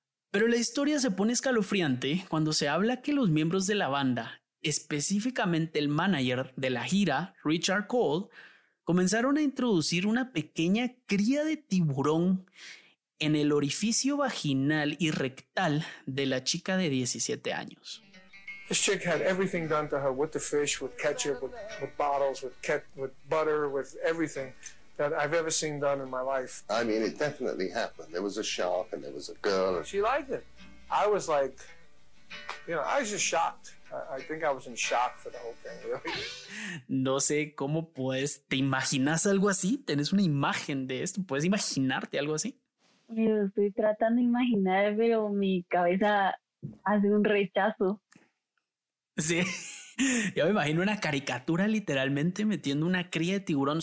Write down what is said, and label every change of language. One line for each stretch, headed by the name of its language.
Spanish: Pero la historia se pone escalofriante cuando se habla que los miembros de la banda, específicamente el manager de la gira, Richard Cole, comenzaron a introducir una pequeña cría de tiburón en el orificio vaginal y rectal de la chica de 17 años.
English: This chick had everything done to her, with the fish, with ketchup, with bottles, with butter, with everything that I've ever seen done in my life. I mean, it definitely happened. There was a shark and there was a girl. She liked it. I was like, you know, I was just shocked. I think I was in shock for the whole thing, really.
Spanish: No sé cómo puedes, ¿te imaginas algo así? ¿Tienes una imagen de esto? ¿Puedes imaginarte algo así? Yo estoy tratando de imaginar, pero mi cabeza hace un rechazo. Sí. Yo me imagino una caricatura literalmente metiendo una cría de tiburón.